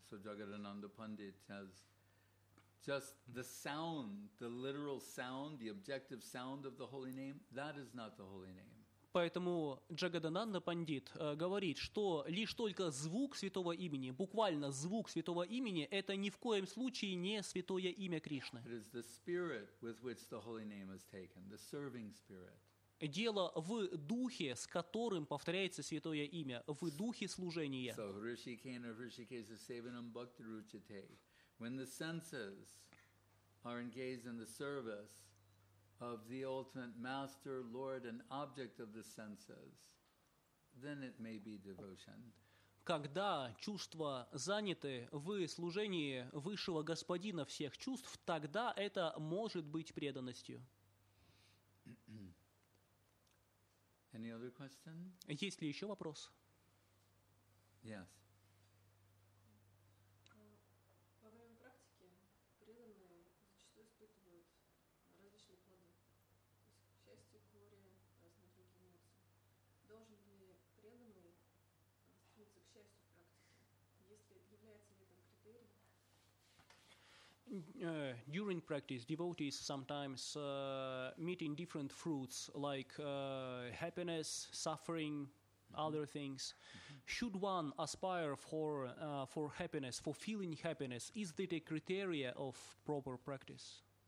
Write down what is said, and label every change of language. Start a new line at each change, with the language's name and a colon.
English: So Jagadananda Pandit says, just the sound, the literal sound, the objective sound of the holy name, that is not the holy name.
Russian: Поэтому Джагадананда Пандит говорит, что лишь только звук святого имени, буквально звук святого имени, это ни в коем случае не святое имя Кришны.
English: It is the spirit with which the holy name is taken, the serving spirit.
Russian: Дело в духе, с которым повторяется святое имя, в духе служения.
Sanskrit: So, Hrishikena, Hrishikesa, Sevanam, Bhakti, Ruchite.
English: When the senses are engaged in the service of the ultimate master, lord, and object of the senses, then it may be devotion.
Russian: Когда чувства заняты в служении высшего господина всех чувств, тогда это может быть преданностью.
English: Any other question?
Russian: Есть ли еще вопрос?
English: Yes.
Russian: Во время практики преданные зачастую испытывают различные плоды. То есть счастье, горе, разные другие эмоции. Должен ли преданный стремиться к счастью в практике? Если является ли это критерием?
English: During practice, devotees sometimes meeting different fruits like happiness, suffering, other things. Should one aspire for happiness, fulfilling happiness? Is that a criteria of proper practice?